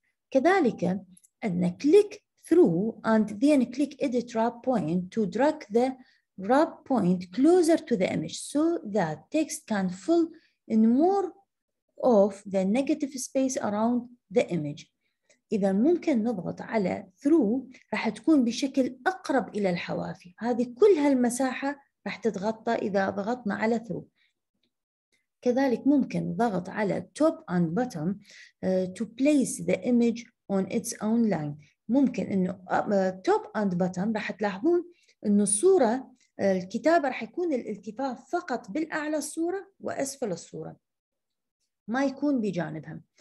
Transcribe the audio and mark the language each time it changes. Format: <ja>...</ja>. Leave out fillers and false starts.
<ar>كذلك عندنا</ar> <en>click through and then click edit wrap point to drag the wrap point closer to the image so that text can fill in more of the negative space around the image.</en> <ar>إذا ممكن نضغط على through راح تكون بشكل أقرب إلى الحوافي، هذه كل هالمساحة راح تتغطى إذا ضغطنا على through. كذلك ممكن ضغط على</ar> <en>top and bottom to place the image on its own line.</en> <ar>ممكن انه top and bottom راح تلاحظون انه الصوره الكتابه راح يكون الالتفاف فقط بالاعلى الصوره واسفل الصوره، ما يكون بجانبها.</ar>